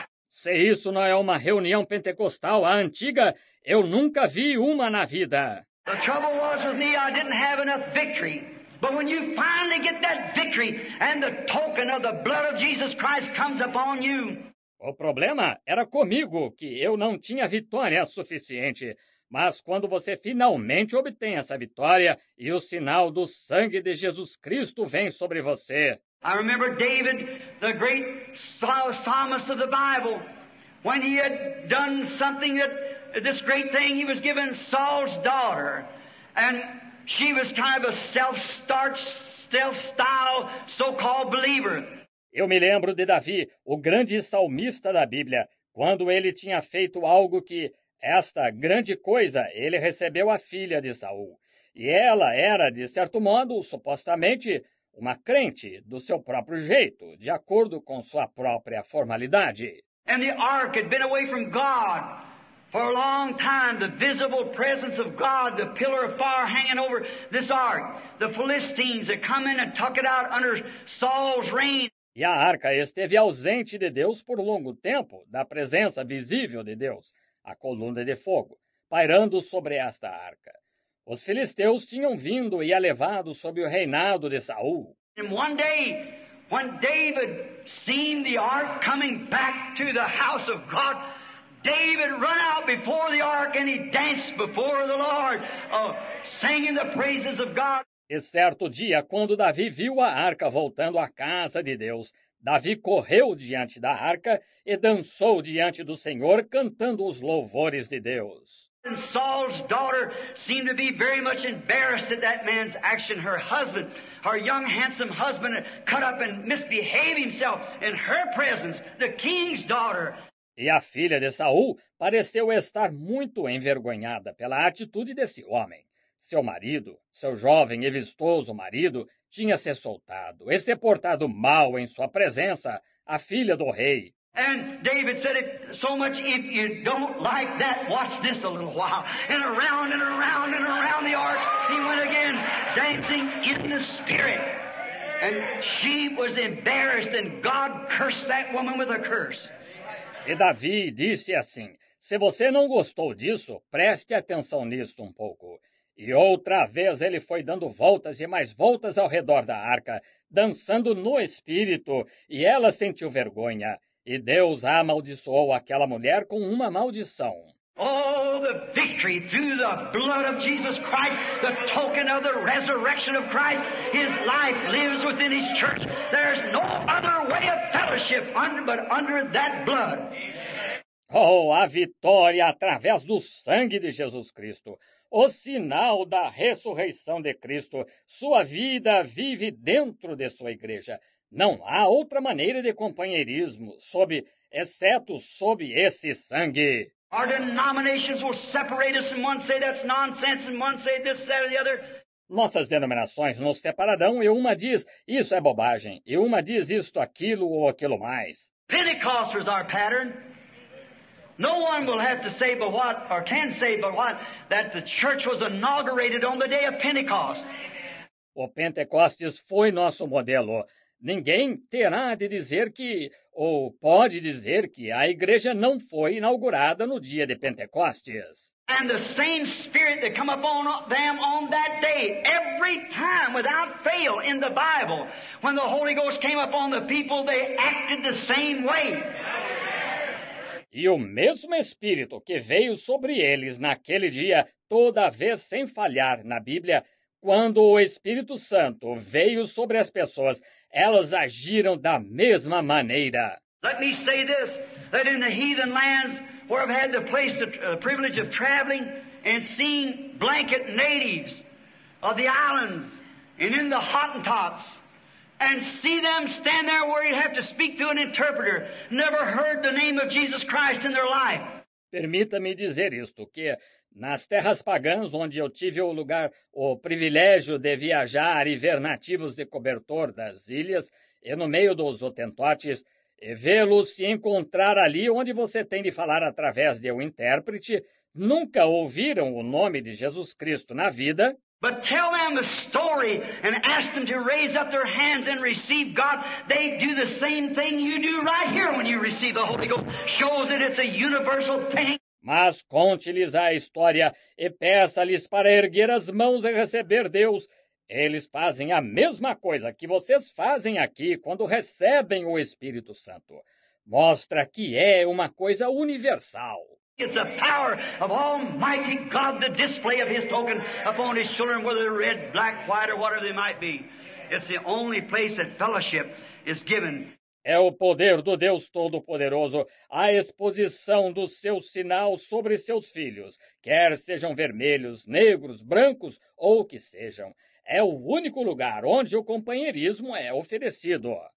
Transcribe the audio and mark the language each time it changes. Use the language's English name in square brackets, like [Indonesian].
[Portuguese] Se isso não é uma reunião pentecostal à antiga, eu nunca vi uma na vida. [English] The trouble was with me, I didn't have enough victory. But when you finally get that victory and the token of the blood of Jesus Christ comes upon you. [Portuguese] O problema era comigo, que eu não tinha vitória suficiente. Mas quando você finalmente obtém essa vitória e o sinal do sangue de Jesus Cristo vem sobre você. [English] I remember David, the great psalmist of the Bible, when he had done something that this great thing, he was given Saul's daughter, and she was kind of a self-start, self-style, so-called believer. [Portuguese] Eu me lembro de Davi, o grande salmista da Bíblia, quando ele tinha feito algo que, esta grande coisa, ele recebeu a filha de Saul. E ela era, de certo modo, supostamente, uma crente do seu próprio jeito, de acordo com sua própria formalidade. [English] And the ark had been away from God. For a long time, the visible presence of God, the pillar of fire hanging over this ark, the Philistines had come in and took it out under Saul's reign. [Portuguese] E a arca esteve ausente de Deus por longo tempo, da presença visível de Deus, a coluna de fogo, pairando sobre esta arca. Os filisteus tinham vindo e a levado sob o reinado de Saul. [English] And one day, when David seen the ark coming back to the house of God, David ran out before the ark and he danced before the Lord, singing the praises of God. [Portuguese] E certo dia, quando Davi viu a arca voltando à casa de Deus, Davi correu diante da arca e dançou diante do Senhor, cantando os louvores de Deus. [English] And Saul's daughter seemed to be very much embarrassed at that man's action. Her husband, her young, handsome husband, had cut up and misbehaved himself in her presence, the king's daughter. [Portuguese] E a filha de Saul pareceu estar muito envergonhada pela atitude desse homem. Seu marido, seu jovem e vistoso marido, tinha se soltado e se portado mal em sua presença, a filha do rei. [English] And David said it so much, if you don't like that, watch this a little while. And around and around and around the ark, he went again, dancing in the spirit. And she was embarrassed, and God cursed that woman with a curse. [Portuguese] E Davi disse assim, se você não gostou disso, preste atenção nisto um pouco. E outra vez ele foi dando voltas e mais voltas ao redor da arca, dançando no espírito, e ela sentiu vergonha. E Deus amaldiçoou aquela mulher com uma maldição. [English] Oh, the victory through the blood of Jesus Christ, the token of the resurrection of Christ. His life lives within his church. There's no other way of fellowship but under that blood. [Portuguese] Oh, a vitória através do sangue de Jesus Cristo, o sinal da ressurreição de Cristo. Sua vida vive dentro de sua igreja. Não há outra maneira de companheirismo, exceto sob esse sangue. [English] Our denominations will separate us, and one say that's nonsense, and one say this, that, or the other. [Portuguese] Nossas denominações nos separarão, e uma diz isso é bobagem, e uma diz isto, aquilo ou aquilo mais. [English] Pentecost was our pattern. No one will have to say but what, or can say but what, that the church was inaugurated on the day of Pentecost. [Portuguese] O Pentecostes foi nosso modelo. ninguém terá de dizer que, ou pode dizer que, a igreja não foi inaugurada no dia de Pentecostes. [English] And the same spirit that come upon them on that day, every time without fail in the Bible, when the Holy Ghost came upon the people, they acted the same way. [Portuguese] E o mesmo Espírito que veio sobre eles naquele dia, toda vez sem falhar na Bíblia, quando o Espírito Santo veio sobre as pessoas, elas agiram da mesma maneira. [English] Let me say this, that in the heathen lands where I've had the privilege of traveling and seeing blanket natives of the islands and in the Hottentots, and see them stand there where you have to speak to an interpreter, never heard the name of Jesus Christ in their life. [Portuguese] Permita-me dizer isto, que nas terras pagãs onde eu tive o lugar, o privilégio de viajar e ver nativos de cobertor das ilhas, e no meio dos Hotentotes, e vê-los se encontrar ali onde você tem de falar através de um intérprete, nunca ouviram o nome de Jesus Cristo na vida. [English] But tell them a story and ask them to raise up their hands and receive God. They do the same thing you do right here when you receive the Holy Ghost. Shows that it's a universal thing. [Portuguese] Mas conte-lhes a história e peça-lhes para erguer as mãos e receber Deus. Eles fazem a mesma coisa que vocês fazem aqui quando recebem o Espírito Santo. Mostra que é uma coisa universal. [English] It's a power of Almighty God, the display of His token upon His children, whether they're red, black, white, or whatever they might be. It's the only place that fellowship is given. [Portuguese] É o poder do Deus Todo-Poderoso, a exposição do seu sinal sobre seus filhos, quer sejam vermelhos, negros, brancos ou o que sejam. É o único lugar onde o companheirismo é oferecido.